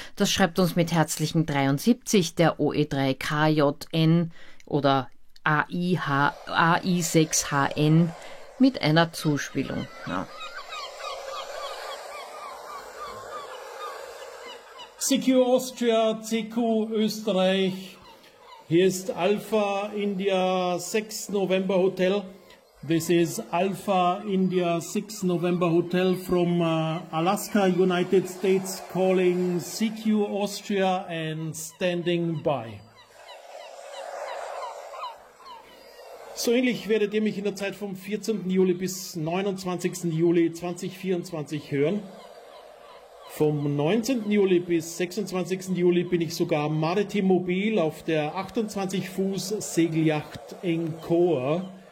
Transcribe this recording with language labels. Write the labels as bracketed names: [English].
[German] Das schreibt uns mit herzlichen 73 der OE3KJN oder AI6HN mit einer Zuspielung. Ja. CQ Austria, CQ Österreich, hier ist Alpha India 6 November Hotel. [English] This is Alpha India 6 November Hotel from Alaska, United States, calling CQ Austria and standing by. [German] So ähnlich werdet ihr mich in der Zeit vom 14. Juli bis 29. Juli 2024 hören. Vom 19. Juli bis 26. Juli bin ich sogar maritim mobil auf der 28 Fuß Segeljacht Encore.